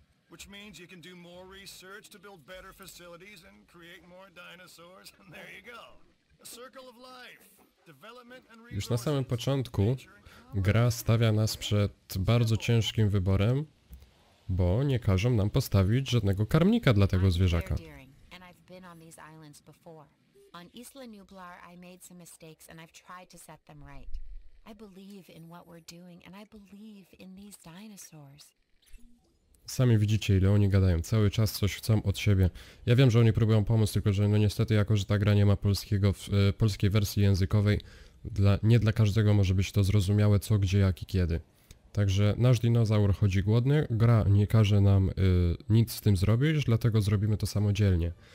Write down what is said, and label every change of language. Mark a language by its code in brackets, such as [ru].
[en] Which means you can do more research to build better facilities and create more dinosaurs. And there you go. A circle of life. Development and [pl] research. Już na samym początku gra stawia nas przed bardzo ciężkim wyborem, bo nie każą nam postawić żadnego karmnika dla tego zwierzaka. [en] And I've been on these islands before. On Isla Nublar I made some mistakes and I've tried to set them right. I believe in what we're doing and I believe in these dinosaurs. [pl] Sami widzicie, ile oni gadają. Cały czas coś chcą od siebie. Ja wiem, że oni próbują pomóc, tylko że no niestety, jako że ta gra nie ma polskiej wersji językowej, nie dla każdego może być to zrozumiałe, co, gdzie, jak i kiedy. Także nasz dinozaur chodzi głodny, gra nie każe nam nic z tym zrobić, dlatego zrobimy to samodzielnie.